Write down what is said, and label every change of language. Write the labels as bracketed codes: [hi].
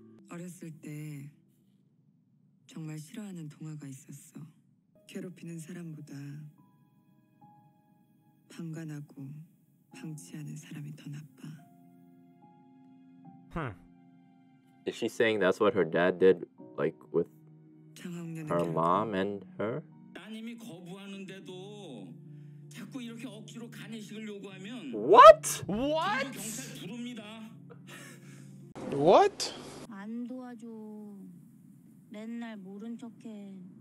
[ko] 어렸을 때 정말 싫어하는 동화가 있었어. 괴롭히는 사람보다 방관하고 방치하는 사람이 더 나빠. [en] Huh. Is she saying that's what her dad did, like with her mom and her? [ko] 따님이 거부하는데도 자꾸 이렇게 억지로 간이식을 요구하면 [en] What? What? [ko] 경찰 부릅니다. [en] What? [ko] 안 도와줘. 맨날 모른 척해.